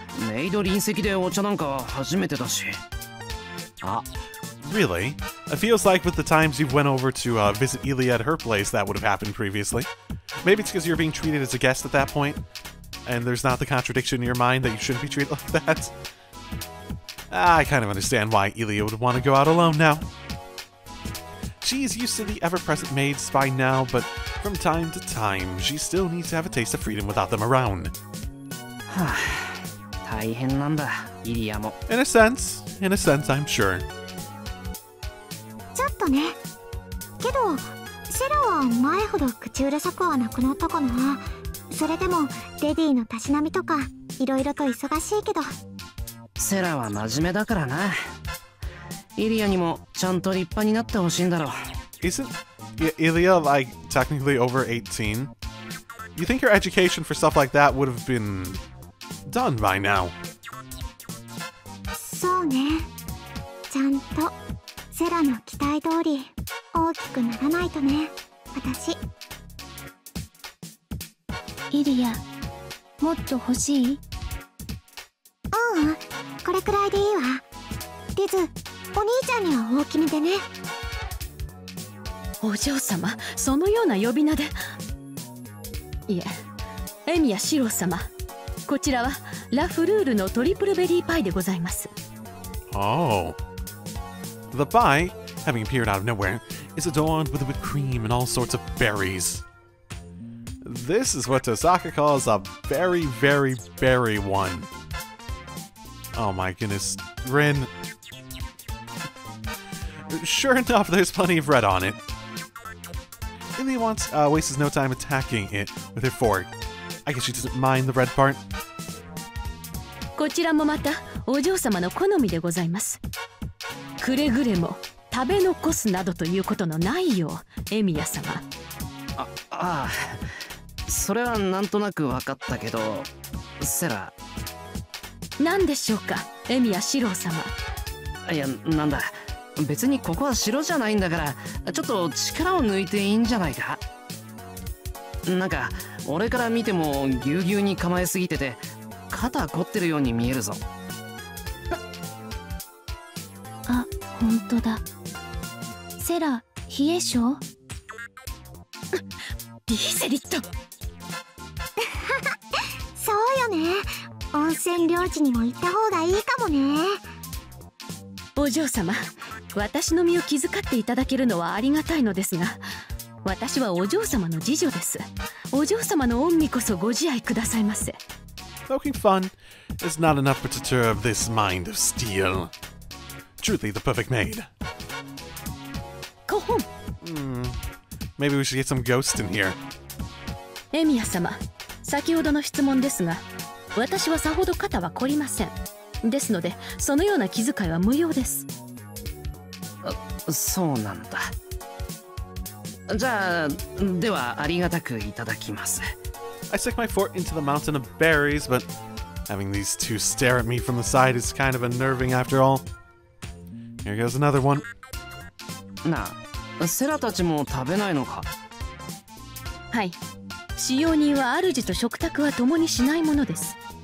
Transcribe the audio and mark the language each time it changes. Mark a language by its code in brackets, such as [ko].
[ja] メイド臨席でお茶なんか初めてだし。あ。 [en] Really? It feels like with the times you went over to visit Illya at her place, that would have happened previously. Maybe it's because you're being treated as a guest at that point, and there's not the contradiction in your mind that you shouldn't be treated like that. I kind of understand why Illya would want to go out alone now. She's used to the ever-present maids by now, but from time to time, she still needs to have a taste of freedom without them around. [ja] 大変なんだ、イリアも。 [en] In a sense, I'm sure. [ja] ちょっとね。けど、シェロは前ほど口うるさくはなくなったかな。それでも、レディのたしなみとか、いろいろと忙しいけど。セラは真面目だからな。イリアにもちゃんと立派になってほしいんだろう。 [en] Isn't Illya like technically over 18? You think your education for stuff like that would have been done by now? [ja] そうね。ちゃんとセラの期待通り大きくならないとね。私。イリア、もっと欲しい？うん。これくらいでいいわ。リズ、お兄ちゃんには大きめでね。お嬢様、そのような呼び名で。いえ、エミヤシロ様、こちらはラフルールのトリプルベリーパイでございます。 [en] Oh. The pie, having appeared out of nowhere, is adorned with whipped cream and all sorts of berries. This is what Tosaka calls a very, very, very one. Oh my goodness, Rin. Sure enough, there's plenty of red on it. Illya wastes no time attacking it with her fork. I guess she doesn't mind the red part. [ja] こちらもまたお嬢様の好みでございます。くれぐれも食べ残すなどということのないよう、エミヤ様。ああ、それはなんとなくわかったけど、セラ… 何でしょうか、エミヤ・シロー様。いや、なんだ。別にここは城じゃないんだから、ちょっと力を抜いていいんじゃないか。なんか、俺から見てもぎゅうぎゅうに構えすぎてて、肩凝ってるように見えるぞ。あ、本当だ。セラ、冷え性？リーゼリット。そうよね。温泉領地にも行った方がいいかもね。お嬢様、私の身を気遣っていただけるのはありがたいのですが、私はお嬢様の次女です。お嬢様の御身こそご自愛くださいませ。 [en] Poking fun is not enough to deter of this mind of steel. Truly the perfect maid. [ja] コホン。 [en] Maybe we should get some ghosts in here. [ja] エミヤ様、先ほどの質問ですが、私はさほど肩は凝りません。ですので、そのような気遣いは無用です。あ、そうなんだ。じゃあ、ではありがたくいただきます。 [en] I stick my fork into the mountain of berries, but having these two stare at me from the side is kind of unnerving after all. Here goes another one. [ja] なあ、セラたちも食べないのか。はい、使用人は主と食卓は共にしないものです。